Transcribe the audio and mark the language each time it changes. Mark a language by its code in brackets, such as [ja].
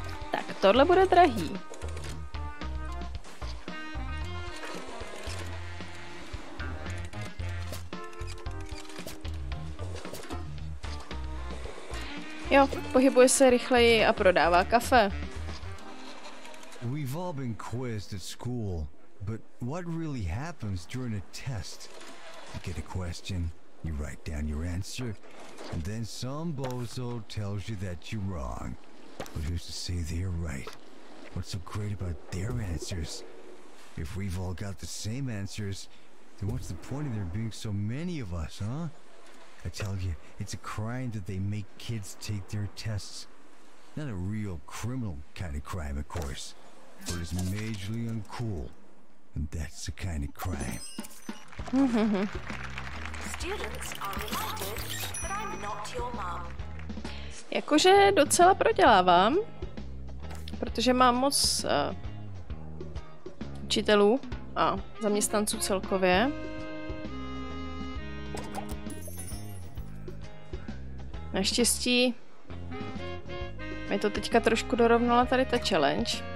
[cs] Tak tohle bude drahý. Jo, pohybuje se rychleji a prodává kafe. [en] We've all been quizzed at school, but what really happens during a test? You get a question, you write down your answer, and then some bozo tells you that you're wrong. But who's to say they're right? What's so great about their answers? If we've all got the same answers, then what's the point of there being so many of us, huh? I tell you, it's a crime that they make kids take their tests. Not a real criminal kind of crime, of course, but it's majorly uncool, and that's the kind of crime. Students are reminded that I'm not your mom. [cs] Jakože docela prodělávám, protože mám moc učitelů a zaměstnanců celkově. Naštěstí mi to teďka trošku dorovnala tady ta challenge.